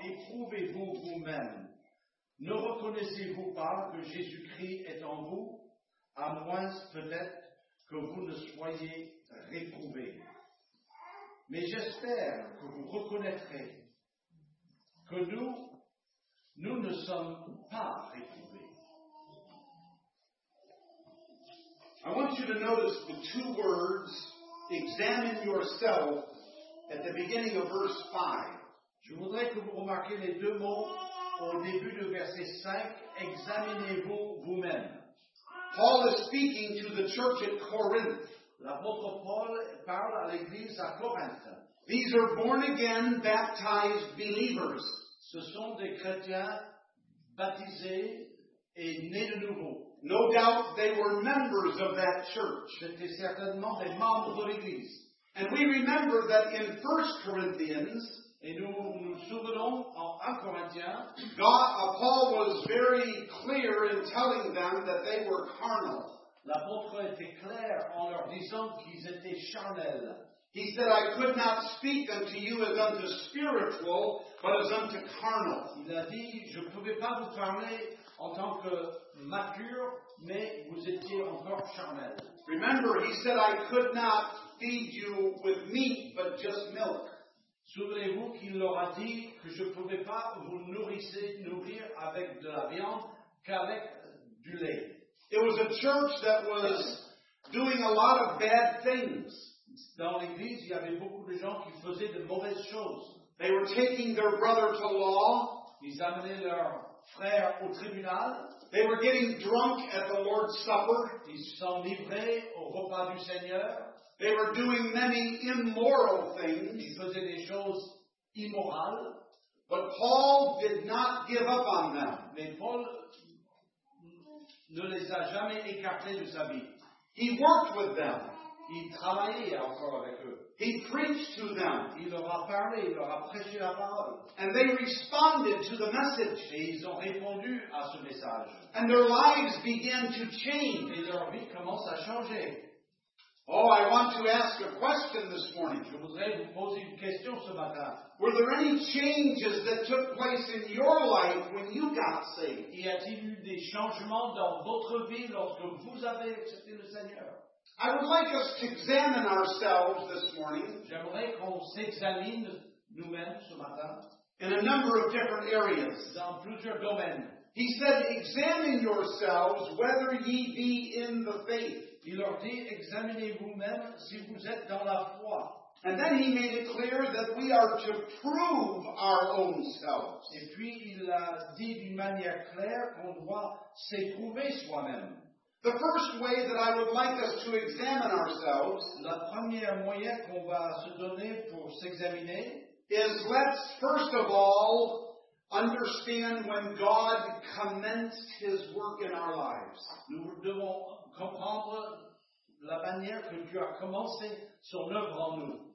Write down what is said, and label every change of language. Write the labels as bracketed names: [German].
[French] Éprouvez-vous vous-même. Ne reconnaissez-vous pas que Jésus-Christ est en vous, à moins peut-être que vous ne soyez réprouvés. Mais j'espère que vous reconnaîtrez que nous ne sommes pas réprouvés. [English] I want you to notice the two words, examine yourself, at the beginning of verse 5. [French] Je voudrais que vous remarquiez les deux mots au début de verset 5, examinez-vous vous-même. [English] Paul is speaking to the church at Corinth. [French] L'apôtre Paul parle à l'église à Corinth. [English] These are born again, baptized believers. [French] Ce sont des chrétiens baptisés et nés de nouveau. [English] No doubt they were members of that church. [French] C'était certainement des membres de l'église. [English] And we remember that in 1 Corinthians, [French] et nous souvenons en 1 Corinthiens, [English] Paul was very clear in telling them that they were carnal. [French] L'apôtre était clair en leur disant qu'ils étaient charnels. [English] He said, I could not speak unto you as unto spiritual, but as unto carnal. [French] Il a dit, je ne pouvais pas vous parler en tant que mature, mais vous étiez encore charnel. [English] Remember, he said, I could not feed you with meat, but just milk. [French] Souvenez-vous qu'il leur a dit que je ne pouvais pas vous nourrir avec de la viande qu'avec du lait. [English] It was a church that was doing a lot of bad things. [French] Dans l'église, il y avait beaucoup de gens qui faisaient de mauvaises choses. [English] They were taking their brother to law. [French] Ils amenaient leur frère au tribunal. [English] They were getting drunk at the Lord's Supper. [French] Ils s'enivraient au repas du Seigneur. [English] They were doing many immoral things. [French] Ils faisaient des choses immorales. [English] But Paul did not give up on them. [French] Mais Paul ne les a jamais écartés de sa vie. [English] He worked with them. [French] Il travaillait encore avec eux. [English] He preached to them. [French] Il leur a parlé, il leur a prêché la parole. [English] And they responded to the message. [French] Et ils ont répondu à ce message. [English] And their lives began to change. [French] Et leur vie commence à changer. [English] Oh, I want to ask a question this morning. [French] Je voudrais vous poser une question ce matin. [English] Were there any changes that took place? place in your life when you got saved? [French] Y a-t-il eu des changements dans votre vie lorsque vous avez accepté le Seigneur? [English] I would like us to examine ourselves this morning. [French] J'aimerais qu'on s'examine nous-mêmes ce matin. [English] In a number of different areas. [French] Dans plusieurs domaines. [English] He said, examine yourselves whether ye be in the faith. [French] Il leur dit, examinez-vous-même si vous êtes dans la foi. [English] And then he made it clear that we are to prove our own selves. [French] Et puis il a dit d'une manière claire qu'on doit s'éprouver soi-même. [English] The first way that I would like us to examine ourselves, [French] la première moyen qu'on va se donner pour s'examiner, [English] is let's first of all understand when God commenced his work in our lives. [French] Nous devons comprendre la manière que Dieu a commencé son œuvre en nous.